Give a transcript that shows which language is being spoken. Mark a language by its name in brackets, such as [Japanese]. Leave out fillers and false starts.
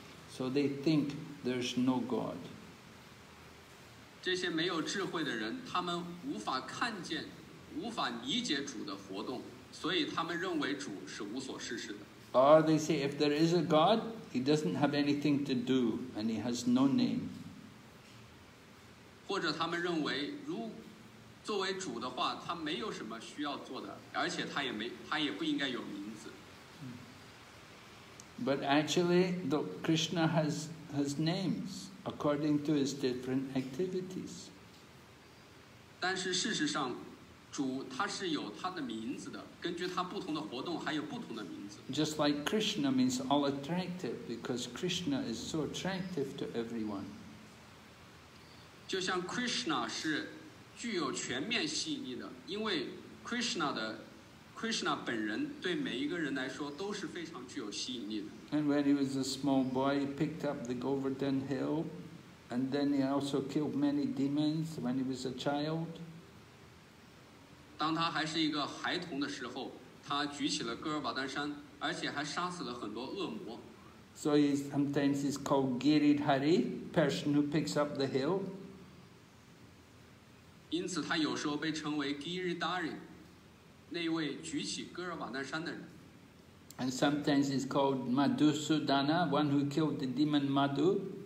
[English] So they think there's no God. [Chinese] 这些没有智慧的人，他们无法看见，无法理解主的活动，所以他们认为主是无所事事的。 [English] Or they say, if there is a God, he doesn't have anything to do and he has no name. [Chinese] 或者他们认为如作为主的话，他没有什么需要做的，而且他也不应该有名字。 [English] But actually, Krishna has names according to his different activities. [Chinese] 但是事实上，主他是有他的名字的，根据他不同的活动，还有不同的名字。 [English] Just like Krishna means all attractive, because Krishna is so attractive to everyone. [Chinese] 就像 Krishna 是具有全面吸引力的，因为 Krishna 本人对每一个人来说都是非常具有吸引力的。 [English] And when he was a small boy, he picked up the Govardhan Hill, and then he also killed many demons when he was a child. [Chinese] 当他还是一个孩童的时候，他举起了戈尔瓦丹山，而且还杀死了很多恶魔。 [English] So sometimes he's called Giridhari, person who picks up the hill. [Chinese] 因此他有时候被称为 Giridhari, 那位举起戈尔瓦丹山的人。 [English] And sometimes he's called Madhusudana, one who killed the demon Madhu.